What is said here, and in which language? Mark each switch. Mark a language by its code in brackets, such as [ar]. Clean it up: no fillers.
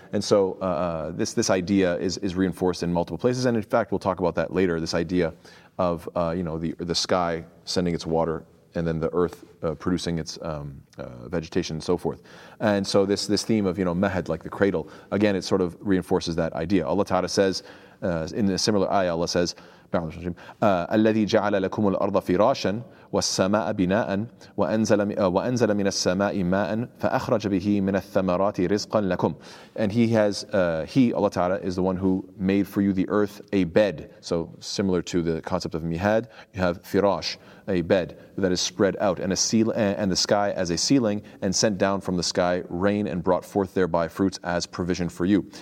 [en] And so this idea is reinforced in multiple places, and in fact, we'll talk about that later, this idea of, you know, the sky sending its water and then the earth producing its vegetation and so forth. And so this theme of, you know, mahad, like the cradle, again, it sort of reinforces that idea. Allah Ta'ala says, in a similar ayah, Allah says, [ar] الذي جعل لكم الأرض فراشا والسماء بناء وأنزل من السماء ماء فأخرج به من الثمرات رزقا لكم. [en] And he, Allah Ta'ala, is the one who made for you the earth a bed. So similar to the concept of mihad, you have firash, a bed that is spread out, and a seal, and the sky as a ceiling, and sent down from the sky rain and brought forth thereby fruits as provision for you.